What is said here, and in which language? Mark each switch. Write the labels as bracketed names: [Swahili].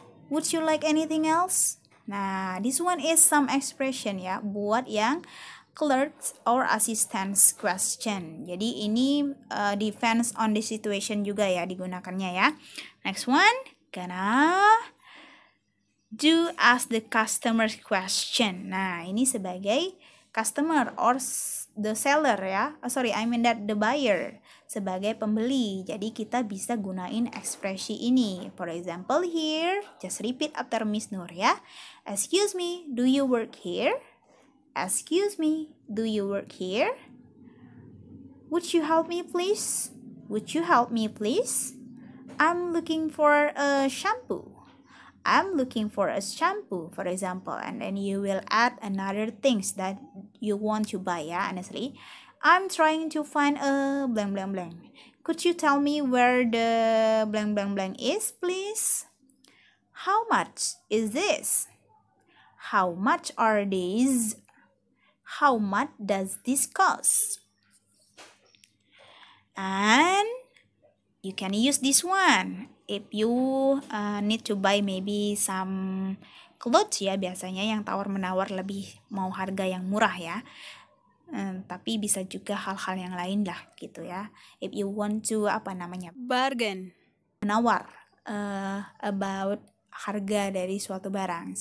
[English] Would you like anything else? Nah, this one is some expression ya, [Indonesian] buat yang [English] clerks or assistants question. [Indonesian] Jadi ini [English] depends on the situation [Indonesian] juga ya digunakannya ya. [English] Next one, gonna do ask the customer question. [Indonesian] Nah, ini sebagai customer [English] or the seller [Indonesian] ya. [English] Oh, sorry, I mean that the buyer. [Indonesian] Sebagai pembeli, jadi kita bisa gunain ekspresi ini. [English] For example, here, just repeat after Miss Nur ya. Excuse me, do you work here? Excuse me, do you work here? Would you help me, please? Would you help me, please? I'm looking for a shampoo. I'm looking for a shampoo, for example. And then you will add another things that you want to buy, yeah, honestly. I'm trying to find a blank, blank, blank. Could you tell me where the blank, blank, blank is, please? How much is this? How much are these? How much does this cost? And you can use this one if you need to buy maybe some clothes, ya. [Indonesian] Biasanya yang tawar-menawar lebih mau harga yang murah, ya. Tapi bisa juga hal-hal yang lain lah, gitu ya. [English] If you want to, [Indonesian] apa namanya? [English] Bargain. [Indonesian] Menawar about harga dari suatu barang.